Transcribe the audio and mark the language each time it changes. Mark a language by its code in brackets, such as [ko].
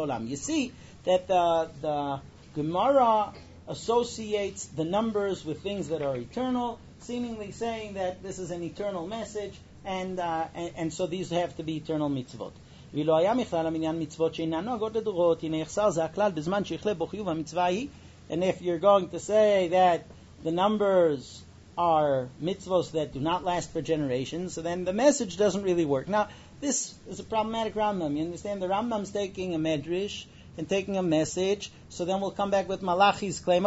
[en] You see that the Gemara associates the numbers with things that are eternal, seemingly saying that this is an eternal message, and so these have to be eternal mitzvot. [he] ולא היה מכלל המניין מצוות שאינן נוהגות לדורות, הנה יחסר זה הכלל בזמן שיחלה בו חיוב המצווה היא. [en] And if you're going to say that the numbers are mitzvos that do not last for generations, so then the message doesn't really work. Now, this is a problematic Rambam. You understand? The Rambam's taking a medrash and taking a message, so then we'll come back with Malachi's claim.